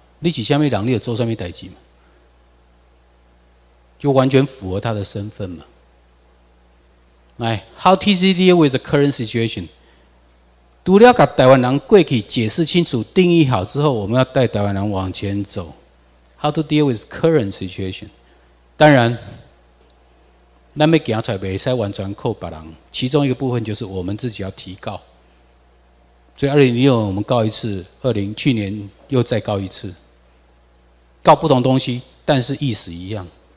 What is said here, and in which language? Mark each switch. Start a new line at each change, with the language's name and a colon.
Chinese: 你是什么人，你有做什么事情吗？就完全符合他的身份嘛。
English: 来 ，How TC deal with the current situation？
Chinese: 除了把台湾人过去解释清楚、定义好之后，我们要带台湾人往前走。
English: How to deal with current situation？
Chinese: 当然，那么讲出来不可以完全靠别人，其中一个部分就是我们自己要提告。所以2016我们告一次，去年又再告一次，告不同东西，但是意思一样。